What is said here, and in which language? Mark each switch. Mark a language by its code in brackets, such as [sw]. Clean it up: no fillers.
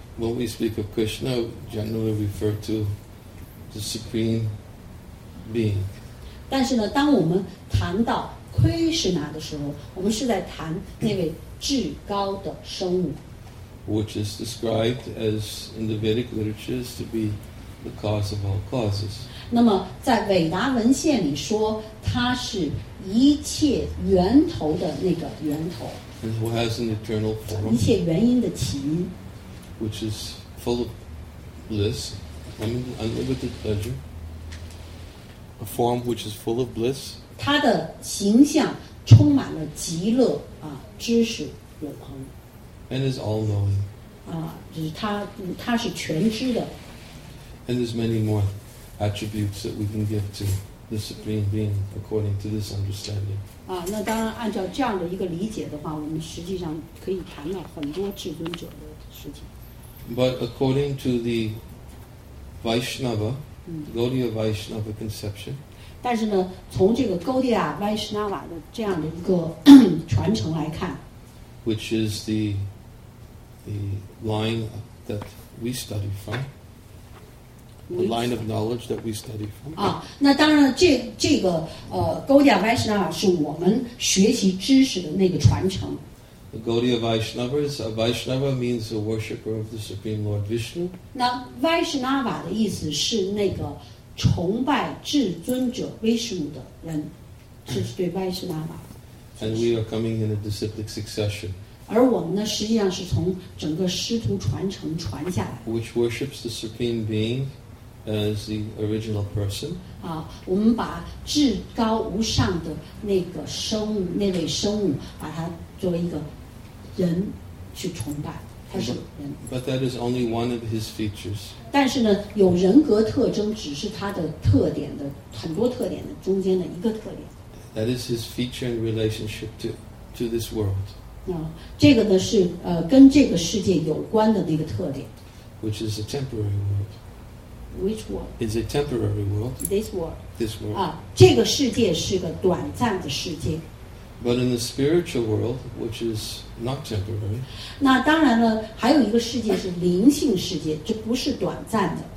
[en] when we speak of Krishna, generally refer to the supreme being. [zh] 但是呢，当我们谈到 Krishna 的时候，我们是在谈那位至高的生物。 [en] Which is described as in the Vedic literatures to be the cause of all causes. [zh] 那么在伟达文献里说，它是一切源头的那个源头。 [en] And who has an eternal form? [zh] 一切原因的起因。 [en] Which is full of bliss, unlimited pleasure. A form which is full of bliss. [zh] 它的形象充满了极乐，知识永恒。 [en] And is all knowing. [zh] 就是它是全知的。 [en] And there's many more attributes that we can give to the Supreme Being according to this understanding. [zh] 啊，那当然，按照这样的一个理解的话，我们实际上可以谈到很多至尊者的事情。 [en] But according to the Vaishnava, Gaudiya Vaishnava conception. [zh] 但是呢，从这个 Gaudiya Vaishnava 的这样的一个传承来看 [en] ，which is the line that we study from. The line of knowledge that we study from. [zh] 啊，那当然这个Gaudiya Vaishnava 是我们学习知识的那个传承。 [en] The Gaudiya Vaishnava is a Vaishnava means a worshipper of the Supreme Lord Vishnu. [zh] 那 Vaishnava 的意思是那个崇拜至尊者 Vishnu 的人，这是对 Vaishnava。 [en] And we are coming in a disciplic succession. [zh] 而我们呢，实际上是从整个师徒传承传下来。 [en] Which worships the Supreme Being as the original person. [zh] 啊，我们把至高无上的那个生物，那位生物，把它作为一个人去崇拜，他是人。 [en] But that is only one of his features. [zh] 但是呢，有人格特征只是他的特点的很多特点的中间的一个特点。 [en] That is his feature in relationship to this world. [zh] 啊，这个呢是跟这个世界有关的那个特点。 [en] Which is a temporary world. Which world? It's a temporary world. This world. This world. [zh] 啊，这个世界是个短暂的世界。 [en] But in the spiritual world, which is not temporary. [zh] 那当然了，还有一个世界是灵性世界，这不是短暂的。